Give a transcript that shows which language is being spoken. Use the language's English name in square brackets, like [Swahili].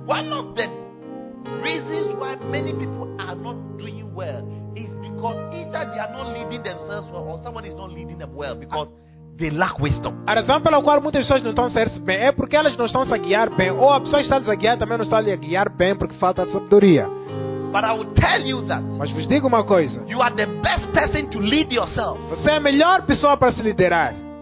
[English] one of the reasons why many people are not doing well is because either they are not leading themselves well or someone is not leading them well because they lack wisdom. [Portuguese] A razão pela qual muitas pessoas não estão a ser bem é porque elas não estão a guiar bem, ou a pessoa está a guiar também não está a guiar bem porque falta de sabedoria. [English] But I will tell you that. [Portuguese] Mas vos digo uma coisa. [English] You are the best person to lead yourself. [Portuguese] Você é a melhor pessoa para se liderar.